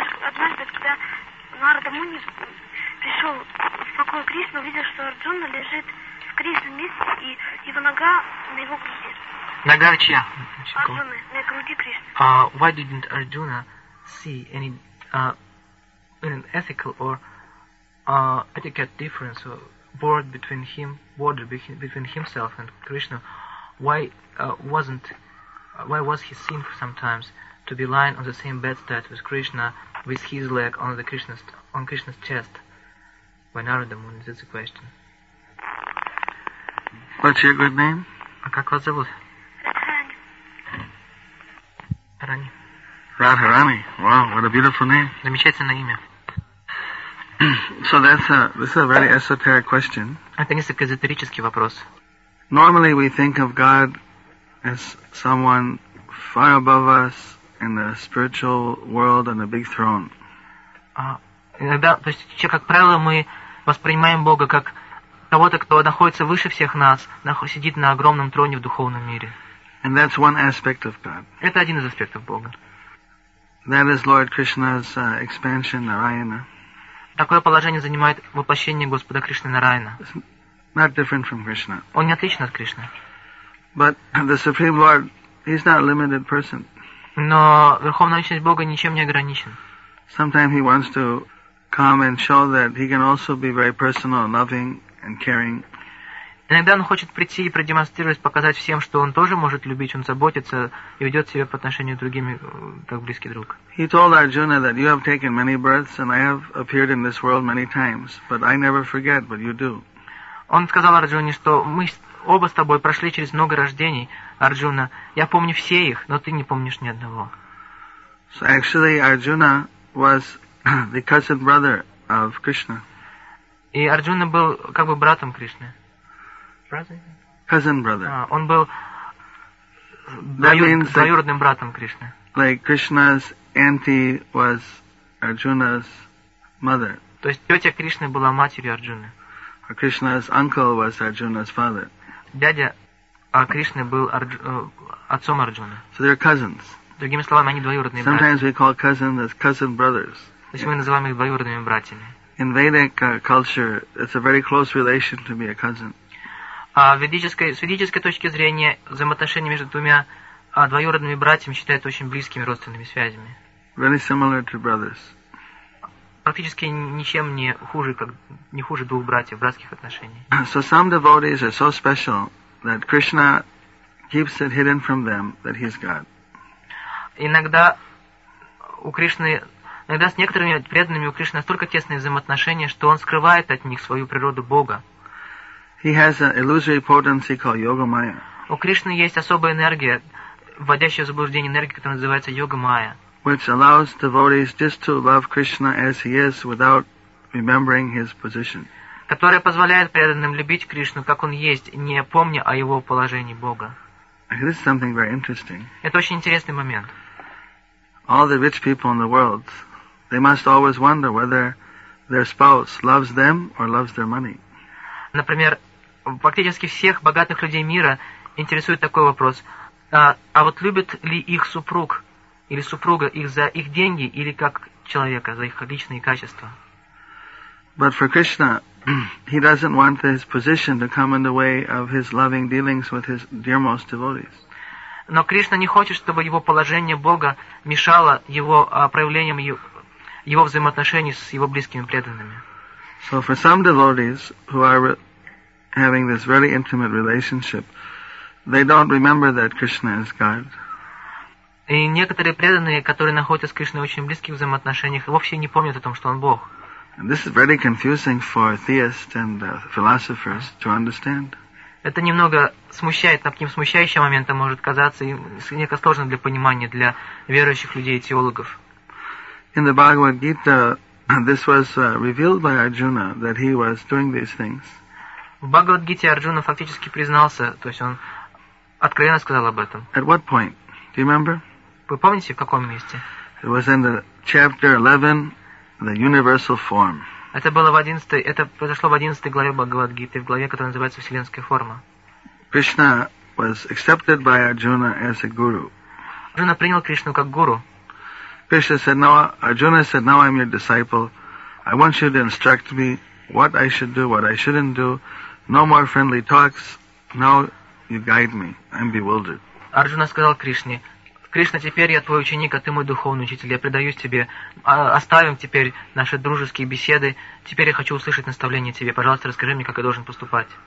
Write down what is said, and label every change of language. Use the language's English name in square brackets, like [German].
[Russian] Однажды, когда Нарада Муни пришел в покой Кришны, увидел, что Арджуна лежит в Кришне вместе, и его нога на его груди. Нога чья? Арджуны, на груди Кришны. [English] Why didn't Arjuna see any an ethical or etiquette difference or board between him, border between himself and Krishna, why was he seen sometimes to be lying on the same bedstead with Krishna, with his leg on the Krishna's chest? By Narada Muni, that's the question. What's your good name? [Russian] Как вас зовут? Радхарани. [English] Радхарани. Wow, what a beautiful name. [Russian] Замечательное имя. [English] So this is a very esoteric question. [Russian] Это несколько эзотерический вопрос. [English] Normally we think of God as someone far above us in the spiritual world on a big throne. [Russian] То есть, как правило, мы воспринимаем Бога как кого-то, кто находится выше всех нас, сидит на огромном троне в духовном мире. [English] And that's one aspect of God. [Russian] Это один из аспектов Бога. [English] That is Lord Krishna's expansion, Narayana. [Russian] Такое положение занимает воплощение Господа Кришны Нараяна. [English] Not different from Krishna. [Russian] Он не отличен от Кришны. [English] But the Supreme Lord, he's not a limited person. [Russian] Но Верховная Личность Бога ничем не ограничен. [English] Sometimes he wants to come and show that he can also be very personal, loving and caring. [Russian] Иногда он хочет прийти и продемонстрировать, показать всем, что он тоже может любить, он заботится и ведет себя по отношению к другим как близкий друг. [English] He told Arjuna that you have taken many births and I have appeared in this world many times, but I never forget what you do. [Russian] Он сказал Арджуне, что мы оба с тобой прошли через много рождений, Арджуна. Я помню все их, но ты не помнишь ни одного. [English] So actually, Arjuna was the cousin brother of Krishna. [Russian] И Арджуна был как бы братом Кришны. [English] Cousin brother. [Russian] Он был двоюродным братом Кришны. [English] Like Krishna's auntie was Arjuna's mother. [Russian] То есть тетя Кришны была матерью Арджуны. [English] Krishna's uncle was Arjuna's father. [Russian] Дядя Кришны был отцом Арджуны. [English] So they're cousins. [Russian] Другими словами, они двоюродные братья. [English] Sometimes [Russian] братья. [English] We call cousins as cousin brothers. [Russian] То есть мы называем их двоюродными братьями. [English] In Vedic culture, it's a very close relation to be a cousin. [Russian] С ведической точки зрения, взаимоотношения между двумя двоюродными братьями считают очень близкими родственными связями. [English] Really similar to brothers. [Russian] Практически ничем не хуже двух братьев, братских отношений. [English] So some devotees are so special that Krishna keeps it hidden from them that he's God. [Russian] Иногда с некоторыми преданными у Кришны настолько тесные взаимоотношения, что он скрывает от них свою природу Бога. [English] He has an illusory potency called Yoga Maya. [Russian] У Кришны есть особая энергия, вводящая в заблуждение энергия, которая называется Йога Майя. [English] Which allows devotees just to love Krishna as he is without remembering his position. [Russian] Которая позволяет преданным любить Кришну, как он есть, не помня о его положении Бога. [English] This is something very interesting. [Russian] Это очень интересный момент. [English] All the rich people in the world, they must always wonder whether their spouse loves them or loves their money. [Russian] Например, практически всех богатых людей мира интересует такой вопрос. А вот любит ли их супруг или супруга их за их деньги или как человека, за их личные качества? [English] But for Krishna, he doesn't want his position to come in the way of his loving dealings with his dearmost devotees. [Russian] Но Кришна не хочет, чтобы его положение Бога мешало его проявлениям его взаимоотношений с его близкими преданными. [English] So for some devotees who are having this really intimate relationship, they don't remember that Krishna is God. [Russian] И некоторые преданные, которые находятся с Кришной в очень близких взаимоотношениях, вовсе не помнят о том, что он Бог. [English] And this is very confusing for theists and philosophers to understand. [Russian] Это немного смущает, таким смущающим моментом может казаться и несколько сложно для понимания для верующих людей и теологов. [English] In the Bhagavad Gita, this was revealed by Arjuna that he was doing these things. [Russian] В Бхагавад Гите Арджуна фактически признался, то есть он откровенно сказал об этом. [English] At what point? Do you remember? [Russian] Вы помните, в каком месте? [English] It was in the chapter 11, the universal form. [Russian] Это произошло в 11 главе Бхагавад Гиты, в главе, которая называется Вселенская форма. [English] Krishna was accepted by Arjuna as a guru. [Russian] Арджуна принял Кришну как гуру. [English] Arjuna said, now I'm your disciple. I want you to instruct me what I should do, what I shouldn't do. No more friendly talks. Now you guide me. I'm bewildered. [Russian] Арджуна сказал Кришне, Кришна, теперь я твой ученик, а ты мой духовный учитель. Я предаюсь тебе. Оставим теперь наши дружеские беседы. Теперь я хочу услышать наставление тебе. Пожалуйста, расскажи мне, как я должен поступать.